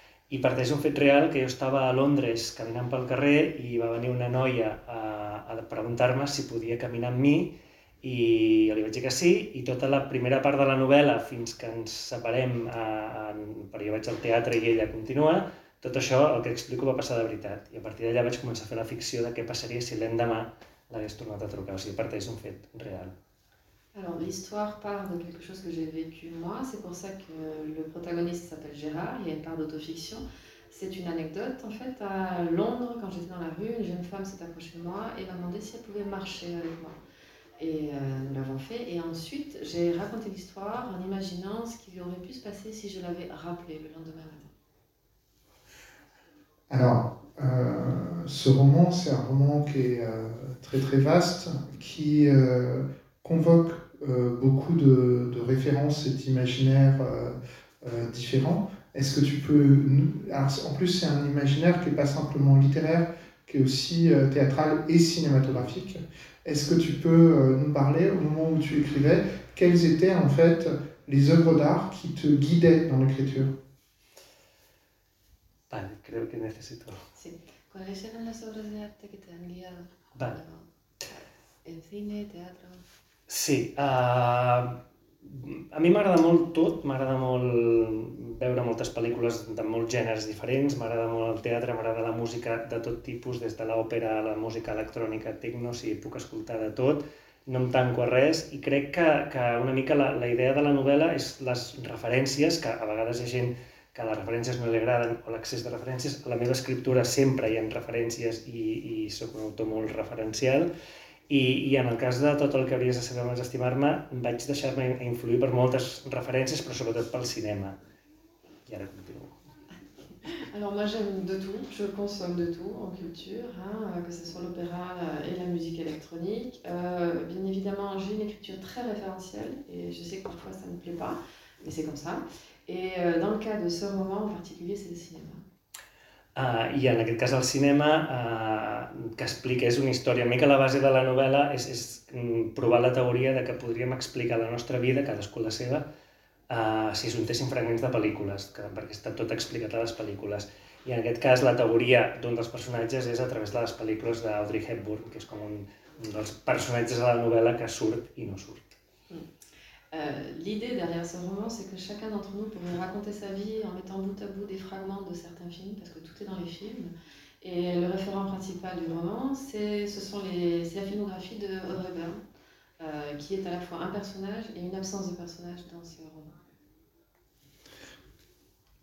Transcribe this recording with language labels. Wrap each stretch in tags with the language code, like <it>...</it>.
<ca>I parteix d'un fet real, que jo estava a Londres caminant pel carrer i va venir una noia a preguntar-me si podia caminar amb mi i jo li vaig dir que sí, i tota la primera part de la novel·la fins que ens separem, perquè jo vaig al teatre i ella continua, tot això el que explico va passar de veritat. I a partir d'allà vaig començar a fer la ficció de què passaria si l'endemà l'hagués tornat a trucar, o sigui, parteix d'un fet real.</ca> <fr>Alors l'histoire part de quelque chose que j'ai vécu moi, c'est pour ça que le protagoniste s'appelle Gérard, il y a une part d'autofiction. C'est une anecdote en fait, à Londres, quand j'étais dans la rue, une jeune femme s'est approchée de moi et m'a demandé si elle pouvait marcher avec moi. Et nous l'avons fait, et ensuite j'ai raconté l'histoire en imaginant ce qui lui aurait pu se passer si je l'avais rappelé le lendemain matin. Alors, ce roman, c'est un roman qui est très très vaste, qui... convoque beaucoup de références et d'imaginaires différents. Est-ce que tu peux... En plus, c'est un imaginaire qui n'est pas simplement littéraire, qui est aussi théâtral et cinématographique. Est-ce que tu peux nous parler, au moment où tu écrivais, quelles étaient en fait les œuvres d'art qui te guidaient dans l'écriture ?</fr> <es>Vale, creo que necesito. Sí. ¿Cuáles eran las obras de arte que te han guiado? Vale. En cine, teatro...</es> <ca>Sí, a mi m'agrada molt tot, m'agrada molt veure moltes pel·lícules de molts gèneres diferents, m'agrada molt el teatre, m'agrada la música de tot tipus, des de l'òpera a la música electrònica, tecno, sí, puc escoltar de tot, no em tanco a res, i crec que una mica la idea de la novel·la és les referències, que a vegades hi ha gent que les referències no li agraden, o l'accés de referències, a la meva escriptura sempre hi ha referències i sóc un autor molt referencial, I en el cas de tot el que hauries de saber abans d'estimar-me, vaig deixar-me influir per moltes referències, però sobretot pel cinema. I ara continuo.</ca> <fr>Alors moi j'aime de tout, je consomme de tout en culture, hein, que ce soit l'opéra et la musique électronique. Bien évidemment, j'ai une écriture très référentielle et je sais que parfois ça ne me plaît pas, mais c'est comme ça. Et dans le cas de ce roman en particulier, c'est le cinéma.</fr> <ca>I en aquest cas el cinema, que expliqués una història. A mi que la base de la novel·la és provar la teoria de que podríem explicar la nostra vida, cadascú la seva, si juntéssim fragments de pel·lícules, perquè està tot explicat a les pel·lícules. I en aquest cas la teoria d'un dels personatges és a través de les pel·lícules d'Audrey Hepburn, que és com un dels personatges de la novel·la que surt i no surt.</ca> <fr>L'idée derrière ce roman, c'est que chacun d'entre nous pourrait raconter sa vie en mettant bout à bout des fragments de certains films, parce que tout est dans les films. Et le référent principal du roman, c'est la filmographie de Audrey Hepburn, qui est à la fois un personnage et une absence de personnage dans ce roman.</fr>